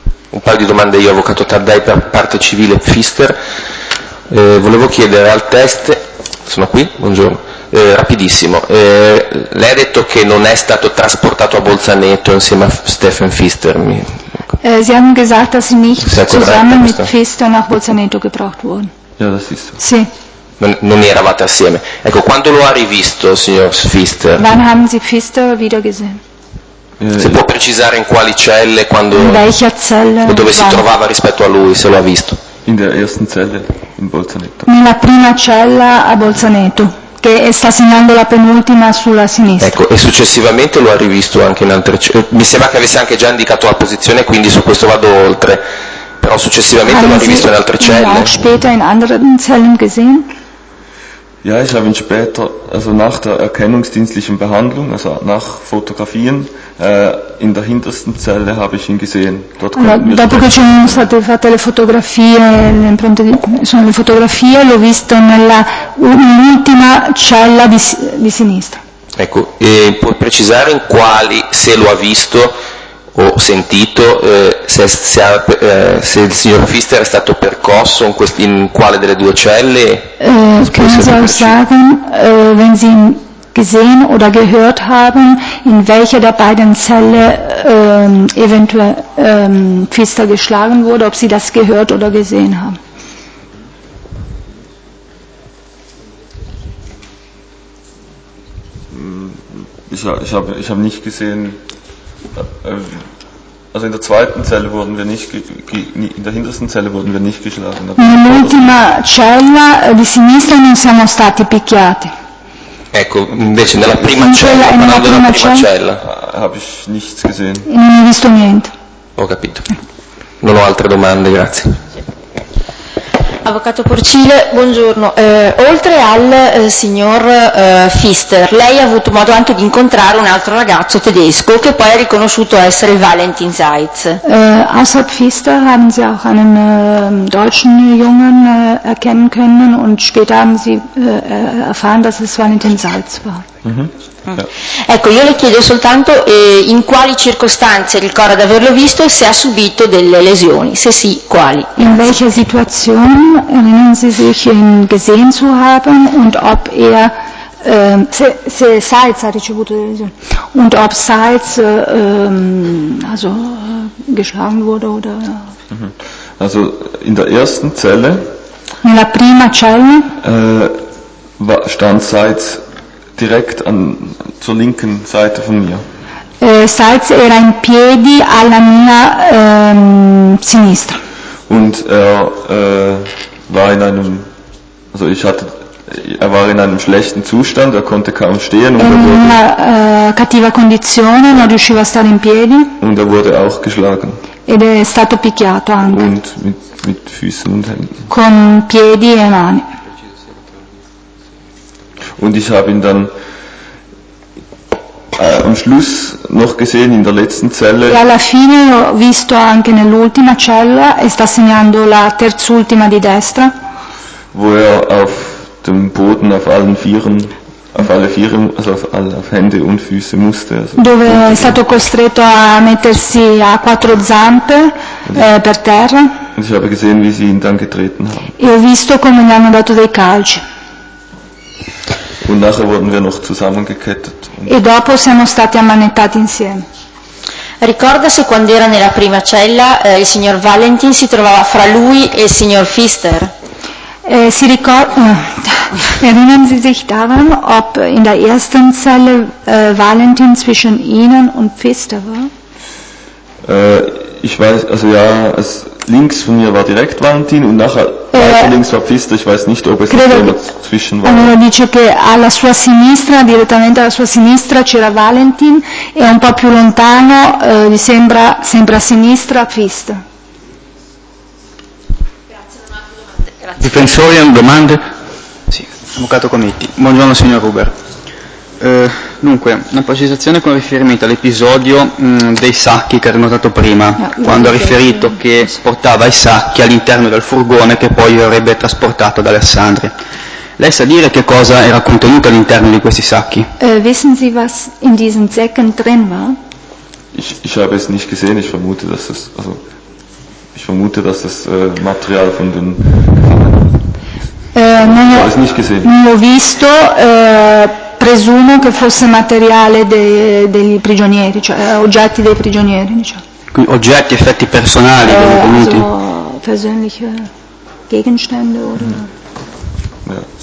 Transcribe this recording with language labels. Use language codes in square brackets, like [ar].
[it] Un paio di domande io, avvocato Taddei per parte civile Pfister. Volevo chiedere al test, sono qui, buongiorno, rapidissimo. Lei ha detto che non è stato trasportato a Bolzaneto insieme a Stephen Pfister. [de] Sie haben gesagt, dass Sie nicht zusammen mit Pfister nach Bolzaneto gebracht wurden. Ja, das ist so. [it] Sì. Non eravate assieme. Ecco, quando lo ha rivisto, signor Pfister? [de] Wann haben Sie Pfister wieder gesehen? [it] Si può precisare in quali celle, quando, [de] in welcher Zelle, [it] dove si trovava rispetto a lui, se lo ha visto? [de] In der ersten Zelle, in Bolzaneto. [it] Nella prima cella a Bolzaneto, che sta segnando la penultima sulla sinistra. Ecco, e successivamente lo ha rivisto anche in altre celle. Mi sembra che avesse anche già indicato la posizione, quindi su questo vado oltre. Però successivamente lo ha rivisto in altre celle. [de] Auch später in anderen Zellen gesehen? Ja, ich habe ihn später, also nach der erkennungsdienstlichen Behandlung, also nach Fotografien, in der hintersten Zelle habe ich ihn gesehen. [it] Dort dopo che ci sono state fatte le fotografie, le impronte di, sono le fotografie, l'ho visto nell'ultima cella di sinistra. Ecco, e puoi precisare in quali, se lo ha visto o sentito, se il signor Pfister è stato percosso in quale delle due celle? [de] Können Sie auch sagen, wenn Sie ihn gesehen oder gehört haben, in welcher der beiden Zelle eventuell Pfister geschlagen wurde, ob Sie das gehört oder gesehen haben? Ich hab nicht gesehen. Also in der zweiten Zelle wurden wir nicht in der hintersten Zelle wurden wir nicht geschlagen. [it] Nell'ultima cella di sinistra non siamo stati picchiati. Ecco, invece nella prima cella, [de] habe ich nichts gesehen. [it] Non ho visto niente. Ho capito. Non ho altre domande, grazie. Avvocato Porcile, buongiorno. Oltre al signor Pfister, lei ha avuto modo anche di incontrare un altro ragazzo tedesco che poi ha riconosciuto essere Valentin Seitz. [de] Außer Pfister haben Sie auch einen deutschen Jungen erkennen können und später haben Sie erfahren, dass es Valentin Seitz war. [it] Ecco, io le chiedo soltanto in quali circostanze ricorda di averlo visto e se ha subito delle lesioni, se sì, quali. [de] In welche Situation erinnern Sie sich, ihn gesehen zu haben und ob er [it] se Salz ha ricevuto delle lesioni [de] und ob Salz also geschlagen wurde oder also in der ersten Zelle [it] nella prima cella [de] stand Salz direkt an zur linken Seite von mir. [it] Salz era in piedi alla mia sinistra. [de] Und er war in einem, also ich hatte, er war in einem schlechten Zustand, er konnte kaum stehen. In und [it] una cattiva condizione, non riusciva a stare in piedi. [de] Und er wurde auch geschlagen. [it] Ed è stato picchiato anche. [de] Und mit Füßen und Händen. [it] Con piedi e mani. [de] Und ich habe ihn dann am Schluss noch gesehen in der letzten Zelle. [it] E alla fine ho visto anche nell'ultima cella e sta segnando la terz'ultima di destra. [de] Wo er auf dem Boden auf allen Vieren, auf alle Vieren, also auf Hände und Füße musste. Also [it] dove è stato costretto a mettersi a quattro zampe per terra. [de] Und ich habe gesehen, wie sie ihn dann getreten haben. [it] E ho visto come gli hanno dato dei calci. [de] Und nachher wurden wir noch zusammengekettet. [it] E dopo siamo stati ammanettati insieme. Ricorda se quando era nella prima cella il signor Valentin si trovava fra lui e il signor Pfister? [de] Si erinnern Sie sich daran, ob in der ersten Zelle Valentin zwischen Ihnen und Pfister war? Ich weiß, also ja, es, links von mir war direkt Valentin und nachher links war Pfister, ich weiß nicht, ob es dazwischen war. [it] Allora dice che alla sua sinistra, direttamente alla sua sinistra c'era Valentin e un po' più lontano, mi sembra, sempre a sinistra, Pfister. Grazie. Difensori, domande? Sì, avvocato Cometti. Buongiorno signor Huber. Dunque, una precisazione con riferimento all'episodio dei sacchi che ero notato prima, no, quando ha riferito che portava i sacchi all'interno del furgone che poi avrebbe trasportato ad Alessandria. Lei sa dire che cosa era contenuto all'interno di questi sacchi? [de] Wissen Sie was in diesen Säcken drin war? Ich habe es nicht gesehen, ich vermute, dass es, also, ich vermute, dass das Material von den [it] non l'ho visto, presumo che fosse materiale dei prigionieri, cioè oggetti dei prigionieri, diciamo. Oggetti, effetti personali, venuti. [de] Persönliche Gegenstände oder?